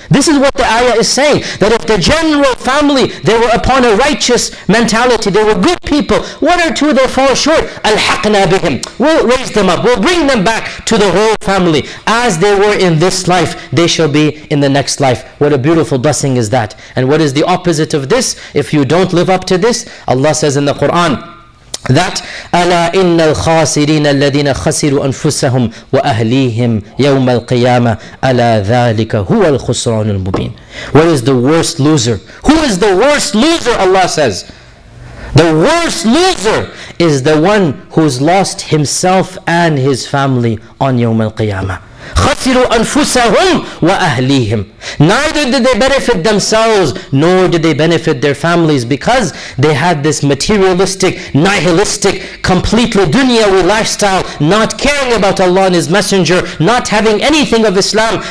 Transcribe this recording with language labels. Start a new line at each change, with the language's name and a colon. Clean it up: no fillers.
English: This is what the ayah is saying, that if the general family, they were upon a righteous mentality, they were good people, one or two they fall short,
Arabic: أَلْحَقْنَا بِهِمْ,
English: we'll raise them up, we'll bring them back to the whole family. As they were in this life, they shall be in the next life. What a beautiful blessing is that. And what is the opposite of this? If you don't live up to this, Allah says in the Quran, that
Arabic: أَلَا إِنَّ الْخَاسِرِينَ الَّذِينَ خَسِرُوا أَنفُسَهُمْ وَأَهْلِيهِمْ يَوْمَ الْقِيَامَةِ أَلَا ذَلِكَ هُوَ الْخُسْرَانُ الْمُبِينَ.
English: What is the worst loser? Who is the worst loser, Allah says? The worst loser is the one who's lost himself and his family on يَوْمَ الْقِيَامَةِ.
Arabic: خَسِرُوا أَنفُسَهُمْ وَأَهْلِيهِمْ.
English: Neither did they benefit themselves, nor did they benefit their families, because they had this materialistic, nihilistic, completely dunyawi lifestyle, not caring about Allah and His Messenger, not having anything of Islam.